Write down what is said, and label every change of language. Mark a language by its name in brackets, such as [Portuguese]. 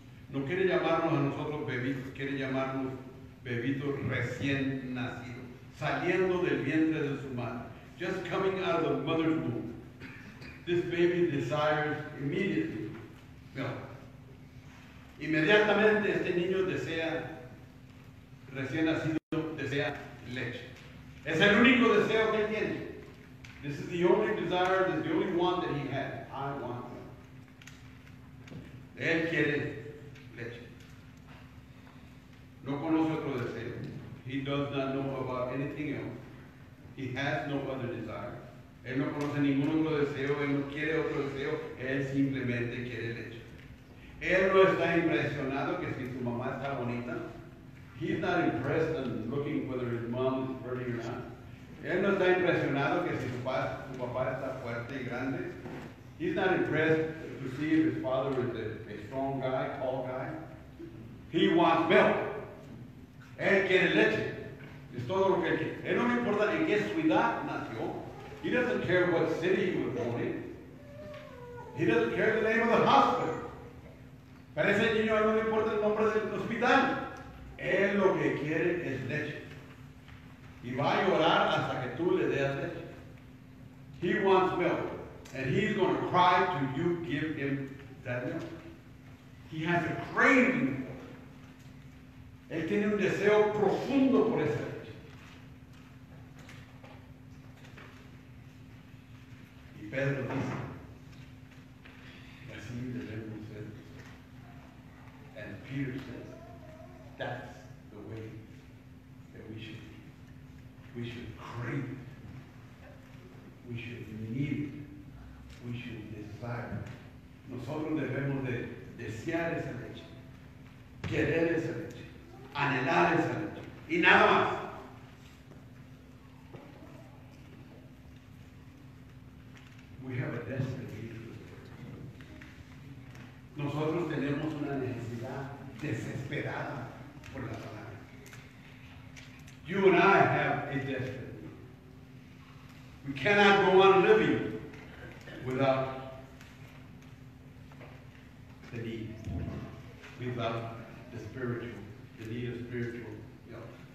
[Spanish] No quiere llamarnos a nosotros bebitos, quiere llamarnos bebitos recién nacidos, saliendo del vientre de su madre. [English] Just coming out of the mother's womb. This baby desires immediately milk. [Spanish] Inmediatamente este niño desea, recién nacido, desea leche. Es el único deseo que tiene. [English] This is the only desire, this is the only one that he had. I want milk. [Spanish] Él quiere leche. No conoce otro deseo. [English] He does not know about anything else. He has no other desire. [Spanish] Él no conoce ningún otro deseo, él no quiere otro deseo, él simplemente quiere leche. Él no está impresionado que si su mamá está bonita. [English] He's not impressed in looking whether his mom is pretty or not. [Spanish] Él no está impresionado que si su papá está fuerte y grande. [English] He's not impressed to see if his father is a strong guy, tall guy. He wants milk. [Spanish] Él quiere leche. Es todo lo que él quiere. Él no le importa en qué ciudad nació. [English] He doesn't care what city he was born in. He doesn't care the name of the hospital. [Spanish] Para ese niño no le importa el nombre del hospital. Él lo que quiere es leche. Y va a llorar hasta que tú le des leche. [English] He wants milk. And he's going to cry till you give him that milk. He has a craving for it. [Spanish] Él tiene un deseo profundo por esa leche. Pedro dice, así debemos ser. [English] And Peter says, that's the way that we should be. We should crave. We should need. We should desire. [Spanish] Nosotros debemos de desear esa leche, querer esa leche, anhelar esa leche, y nada más. [English] We have a desperate need. [Spanish] Nosotros tenemos una necesidad desesperada por la palabra. [English] You and I have a desperate need. We cannot go on living without the need, without the spiritual, the need of spiritual help.